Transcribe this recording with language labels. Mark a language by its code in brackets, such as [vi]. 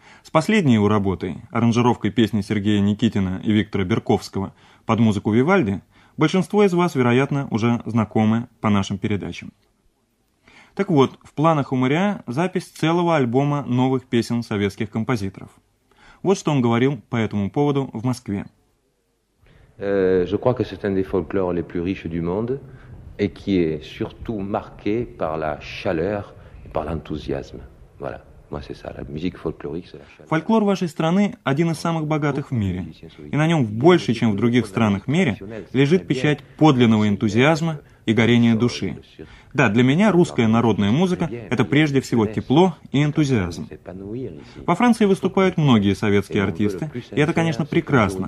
[ru] С последней его работой, аранжировкой песни Сергея Никитина и Виктора Берковского под музыку Вивальди, большинство из вас, вероятно, уже знакомы по нашим передачам. Так вот, в планах у Мариа запись целого альбома новых песен советских композиторов. Вот что он говорил по этому поводу в Москве. [fr] Je crois que c'est un des folklores les plus riches du monde et qui est surtout marqué par la chaleur et par l'enthousiasme. Voilà. Moi c'est ça, la musique folklorique, c'est la chaleur. [ru] Фольклор вашей страны один из самых богатых в мире, и на нем больше, чем в других странах мира, лежит печать подлинного энтузиазма и горения души. Да, для меня русская народная музыка – это прежде всего тепло и энтузиазм. Во Франции выступают многие советские артисты, и это, конечно, прекрасно.